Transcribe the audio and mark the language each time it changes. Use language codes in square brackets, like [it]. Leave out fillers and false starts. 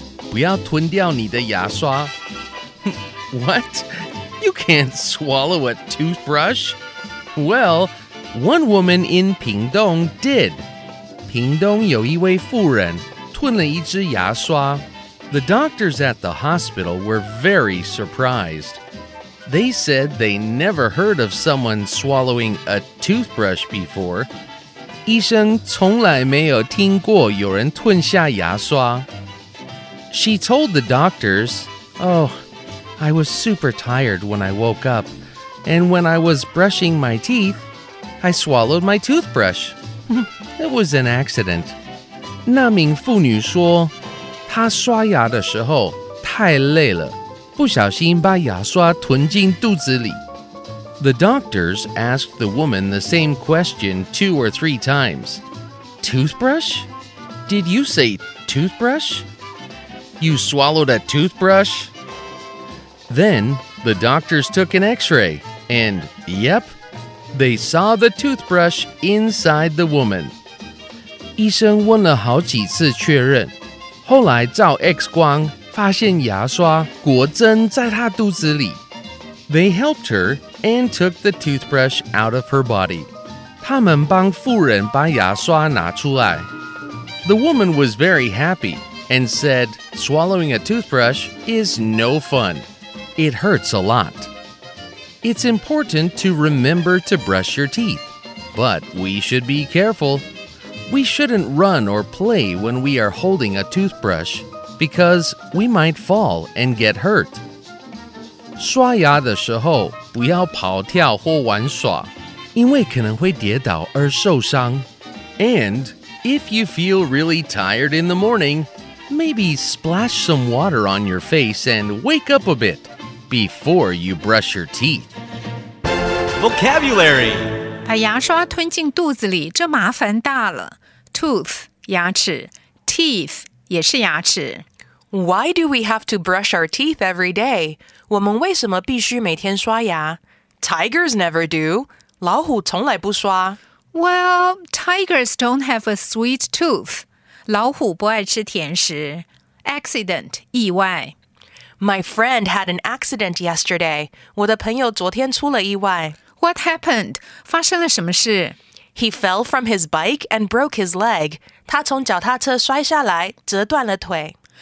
[zh] 不要吞掉你的牙刷。 [en] What? You can't swallow a toothbrush? Well, one woman in Pingtung did. [zh] 屏東有一位婦人吞了一支牙刷。 [en] The doctors at the hospital were very surprised. They said they never heard of someone swallowing a toothbrush before. [zh] 醫生從來沒有聽過有人吞下牙刷。 [en] She told the doctors, Oh, I was super tired when I woke up, and when I was brushing my teeth, I swallowed my toothbrush. It was an accident. [zh] 那名婦女說她刷牙的時候太累了不小心把牙刷吞進肚子裡。 [en] The doctors asked the woman the same question two or three times. Toothbrush? Did you say toothbrush? You swallowed a toothbrush? Then the doctors took an x-ray, and yep, they saw the toothbrush inside the woman. [zh] 医生问了好几次确认，后来照 X 光发现牙刷果真在她肚子里。 [en] They helped her and took the toothbrush out of her body. [zh] 他们帮妇人把牙刷拿出来。 [en] The woman was very happy and said, swallowing a toothbrush is no fun. It hurts a lot. It's important to remember to brush your teeth, but we should be careful. We shouldn't run or play when we are holding a toothbrush because we might fall and get hurt. [zh] 刷牙的时候不要跑跳或玩耍，因为可能会跌倒而受伤。 [en] And if you feel really tired in the morning, maybe splash some water on your face and wake up a bit before you brush your teeth. Vocabulary: [zh] 把牙刷吞进肚子里，这麻烦大了。 Tooth 牙齿 ，teeth 也是牙齿。 [en] Why do we have to brush our teeth every day? [zh] 我们为什么必须每天刷牙 ？ [en] Tigers never do. [zh] 老虎从来不刷。 [en] Well, tigers don't have a sweet tooth. [zh] 老虎不爱吃甜食。Accident, 意外。 [en] My friend had an accident yesterday. [zh] 我的朋友昨天出了意外。 [en] What happened? [zh] 发生了什么事？ [en] He fell from his bike and broke his leg. [zh] 他从脚踏车摔下来，折断了腿。